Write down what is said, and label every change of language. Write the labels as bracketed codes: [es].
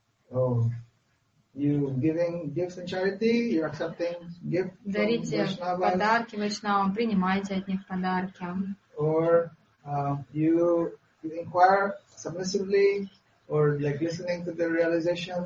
[en] Oh, you giving gifts in charity, you accepting gift from Vaishnavas. [ru] Дарите подарки Вайшнавам, принимайте от них подарки. [en] Or you inquire submissively, or like listening to the realization.